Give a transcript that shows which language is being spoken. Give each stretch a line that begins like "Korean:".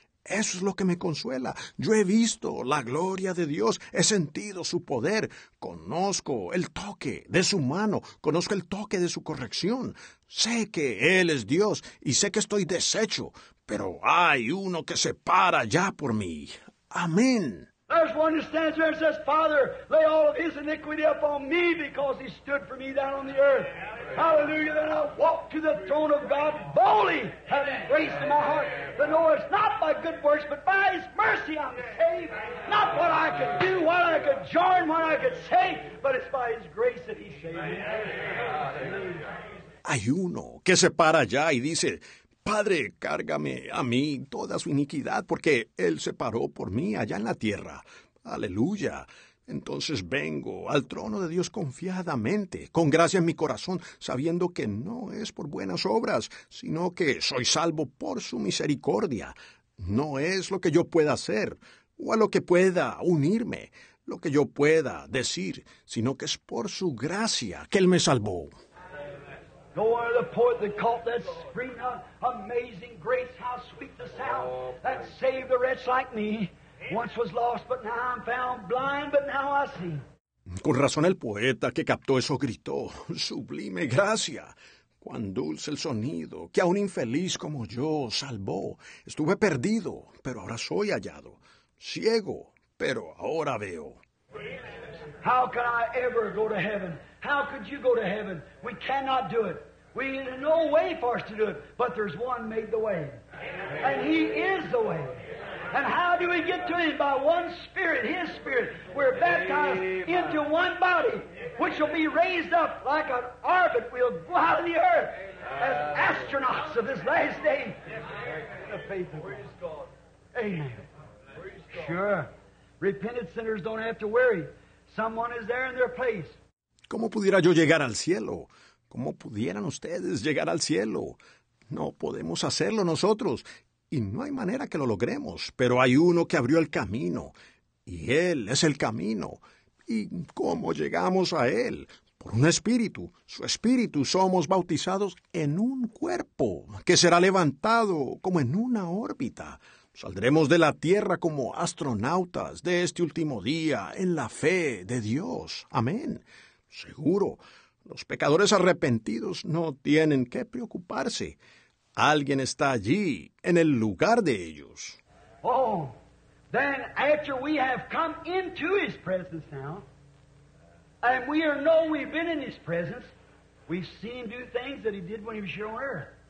Spanish: Eso es lo que me consuela. Yo he visto la gloria de Dios. He sentido su poder. Conozco el toque de su mano. Conozco el toque de su corrección. Sé que Él es Dios y sé que estoy deshecho, pero hay uno que se para ya por mí. Amén.
English: There's one who stands there and says, Father, lay all of his iniquity upon me because he stood for me down on the earth. Hallelujah. Then I'll walk to the throne of God boldly, having grace in my heart, to know it's not by good works, but by his mercy I'm saved. Not what I could do, what I could join, what I could say, but it's by his grace that he saved me.
Spanish: Hay uno que se para allá y dice, Padre, cárgame a mí toda su iniquidad, porque Él se paró por mí allá en la tierra. ¡Aleluya! Entonces vengo al trono de Dios confiadamente, con gracia en mi corazón, sabiendo que no es por buenas obras, sino que soy salvo por su misericordia. No es lo que yo pueda hacer, o a lo que pueda unirme, lo que yo pueda decir, sino que es por su gracia que Él me salvó.
English: No one of the poet that caught that scream, amazing grace, how sweet the sound that saved a wretch like me. Once was lost, but now I'm found, blind, but now I see.
Spanish: Con razón el poeta que captó eso gritó, sublime gracia. Cuán dulce el sonido que a un infeliz como yo salvó. Estuve perdido, pero ahora soy hallado. Ciego, pero ahora veo.
English: How can I ever go to heaven? How could you go to heaven? We cannot do it. We need no way for us to do it, but there's one made the way. And he is the way. And how do we get to him? By one spirit, his spirit. We're baptized into one body, which will be raised up like an orbit. We'll go out of the earth as astronauts of this last day. The faith of God. Amen. Sure. Repentant sinners don't have to worry. Someone is there in their place.
Spanish: ¿Cómo pudiera yo llegar al cielo? ¿Cómo pudieran ustedes llegar al cielo? No podemos hacerlo nosotros, y no hay manera que lo logremos, pero hay uno que abrió el camino, y Él es el camino. ¿Y cómo llegamos a Él? por un espíritu, su espíritu, somos bautizados en un cuerpo que será levantado como en una órbita. Saldremos de la tierra como astronautas de este último día en la fe de Dios. Amén. Seguro, los pecadores arrepentidos no tienen que preocuparse. Alguien está allí, en el lugar de ellos.
English: Oh, then after we have come into His presence now, and we are know we've been in His presence, we've seen do things that He did when He was here on earth.